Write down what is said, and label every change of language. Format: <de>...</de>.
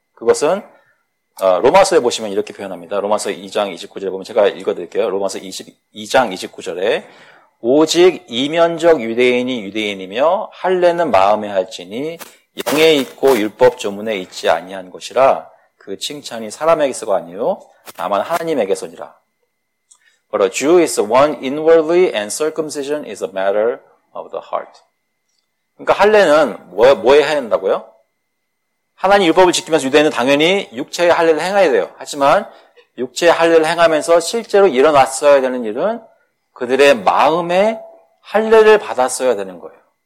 <ko>그것은 로마서에 보시면 이렇게 표현합니다. 로마서 2장 29절에 보면 제가 읽어드릴게요. 로마서 2장 29절에 오직 이면적 유대인이 유대인이며 할례는 마음에 할지니 영에 있고 율법 조문에 있지 아니한 것이라 그 칭찬이 사람에게서가 아니요 다만 하나님에게서니라.</ko> <en>But a Jew is the one inwardly and circumcision is a matter of the heart.</en> <ko>그러니까 할례는 뭐에 해야 된다고요? 하나님 율법을 지키면서 유대인은 당연히 육체의 할례를 행해야 돼요. 하지만 육체의 할례를 행하면서 실제로 일어났어야 되는 일은 그들의 마음에 할례를 받았어야 되는 거예요.</ko>